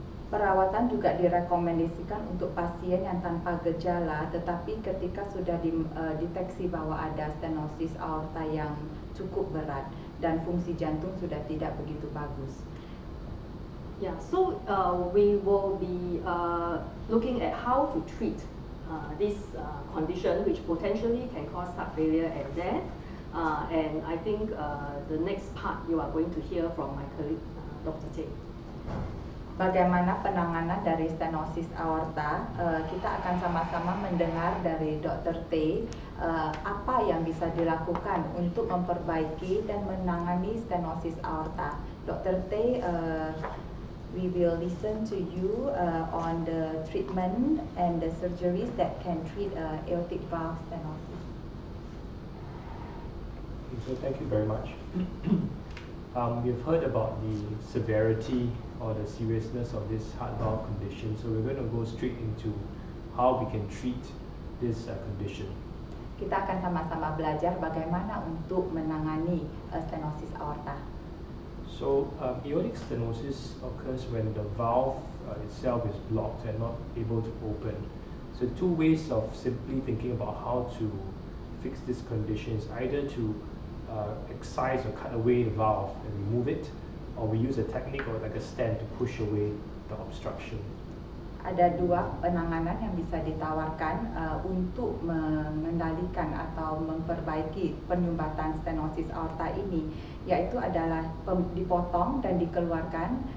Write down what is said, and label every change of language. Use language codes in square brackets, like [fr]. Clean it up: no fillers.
[id] Perawatan juga direkomendasikan untuk pasien yang tanpa gejala, tetapi ketika sudah dideteksi bahwa ada stenosis aorta yang cukup berat dan fungsi jantung sudah tidak begitu bagus. [en] Yeah, so we will be looking at how to treat this condition which potentially can cause heart failure and death. And I think the next part you are going to hear from my colleague, Dr. Tay. [id] Bagaimana penanganan dari stenosis aorta? Kita akan sama-sama mendengar dari Dr. Tay apa yang bisa dilakukan untuk memperbaiki dan menangani stenosis aorta. [en] Dr. Tay, we will listen to you on the treatment and the surgeries that can treat aortic valve stenosis. So thank you very much. We've heard about the severity or the seriousness of this heart valve condition, so we're going to go straight into how we can treat this condition. [id] Kita akan sama-sama belajar bagaimana untuk menangani stenosis aorta. [en] So, aortic stenosis occurs when the valve itself is blocked and not able to open. So, two ways of simply thinking about how to fix this condition is either to excise or cut away the valve and remove it, or we use a technique or like a stent to push away the obstruction. [id] Ada dua penanganan yang bisa ditawarkan untuk mengendalikan atau memperbaiki penyumbatan stenosis aorta ini, yaitu adalah dipotong dan dikeluarkan.